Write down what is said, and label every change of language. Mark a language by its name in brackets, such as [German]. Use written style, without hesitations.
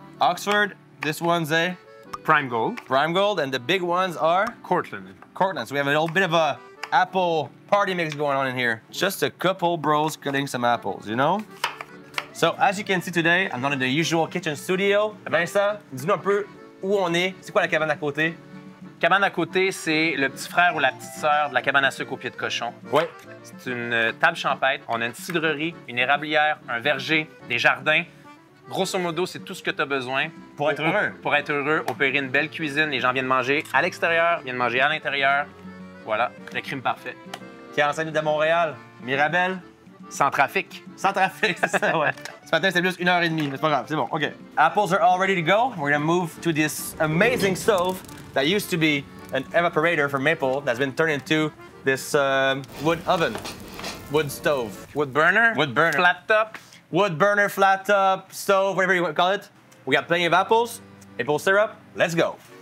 [English] Oxford. This one's a? Prime Gold. Prime Gold. And the big ones are? Cortland. Cortland. So we have a little bit of a apple party mix going on in here. Just a couple bros cutting some apples, you know? So as you can see today, I'm not in the usual kitchen studio. [French] Vincent, dis-nous un peu où on est. C'est quoi la cabane à côté? Cabane à côté, c'est le petit frère ou la petite sœur de la cabane à sucre au pied de cochon. Oui. C'est une table champêtre. On a une cidrerie, une érablière, un verger, des jardins. Grosso modo, c'est tout ce que tu as besoin. Pour être heureux. Pour être heureux, opérer une belle cuisine. Les gens viennent manger à l'extérieur, viennent manger à l'intérieur. Voilà, le crime parfait. Qui est enseigné de Montréal? Mirabelle? Sans trafic. Sans trafic, c'est ça, ouais. Ce matin, c'était plus une heure et demie, mais c'est pas grave, c'est bon, OK. [English] Apples are all ready to go. We're gonna move to this amazing stove that used to be an evaporator for maple that's been turned into this wood oven, wood stove. Wood burner? Wood burner. Flat top? Wood burner, flat top, stove, whatever you want to call it. We got plenty of apples, maple syrup, let's go.